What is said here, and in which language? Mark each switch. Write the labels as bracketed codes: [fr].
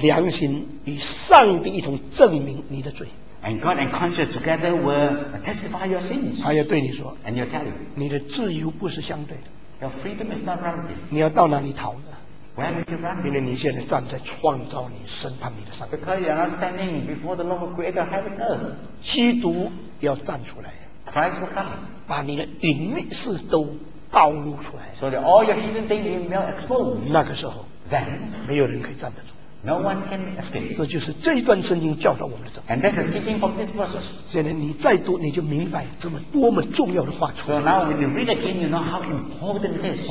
[zh] 良心与上帝一同证明你的罪。 [en] And God and conscience together will testify your sins. [zh] 他要对你说。 [en] And he'll tell you. [zh] 你的自由不是相对的。 [en] Your freedom is not relative. [zh] 你要到哪里逃呢？ [en] Where will you run? [zh] 因为你现在站在创造你、审判你的上帝。 [en] Because you are not standing before the Lord who created heaven and earth. [zh] 基督要站出来。 [en] Christ will come. [zh] 把你的隐秘事都暴露出来。 [en] So that all your hidden things you will expose. [zh] 那个时候， [en] then [zh] 没有人可以站得住。 [en] No one can escape. [zh] 这就是这一段圣经教导我们的。 [en] And that's the teaching from this verse. [zh] 现在你再读，你就明白这么多么重要的话出来。 [en] So now when you read again, you know how important it is.